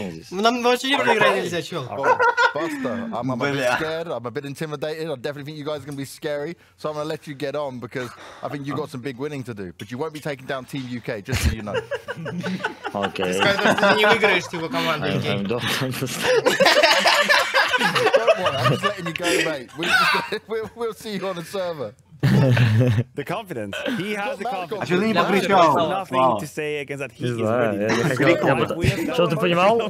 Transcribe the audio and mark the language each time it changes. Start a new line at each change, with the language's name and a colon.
Russian: Нам вообще не проиграть нельзя, чел.
English: Бастер, I'm a bit intimidated. I definitely think you guys are gonna be scary, so I'm gonna let you get on because I think you got some big winning to do. But you won't be taking down Team UK, just so you know. Okay.
Russian: Скажи, ты не выиграешь типа команду UK.
English: We'll see you on the server. The confidence. He has the confidence.
Russian: А что ты не покричал?
English: Nothing to say against that. He's ready.
Russian: Что ты понимал?